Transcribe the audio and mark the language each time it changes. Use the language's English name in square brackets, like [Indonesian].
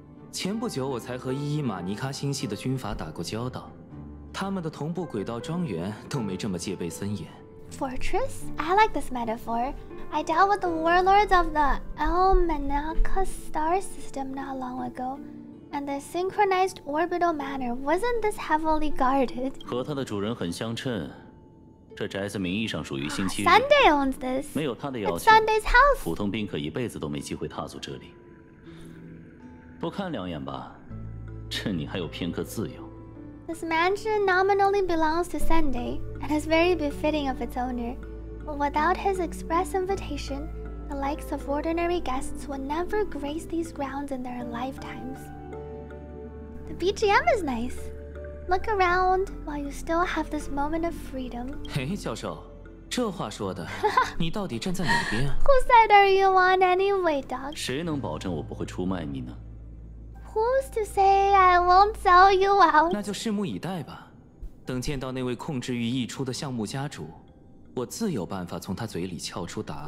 [Chinese] 前不久我才和伊伊玛尼卡星系的军阀打过交道，他们的同步轨道庄园都没这么戒备森严。 [English] Fortress? I like this metaphor. I dealt with the warlords of the Almanaka star system not long ago, and the synchronized orbital manor wasn't this heavily guarded. [Chinese] 和它的主人很相称，这宅子名义上属于星期日。 [English] Sunday owns this. [Chinese] 没有他的要求。 [English] It's Sunday's house. [Chinese] 普通宾客一辈子都没机会踏足这里。不看两眼吧，趁你还有片刻自由。 [English] This mansion nominally belongs to Sunday, and is very befitting of its owner. But without his express invitation, the likes of ordinary guests would never grace these grounds in their lifetimes. The BGM is nice. Look around while you still have this moment of freedom. [Chinese] Hey, 教授，这话说的，你到底站在哪边？ [English] Who side are you on anyway, Doc? [Chinese] 谁能保证我不会出卖你呢？ [English] Who's to say I won't sell you out? [Chinese] 那就拭目以待吧。等见到那位控制欲溢出的项目家主，我自有办法从他嘴里撬出答案。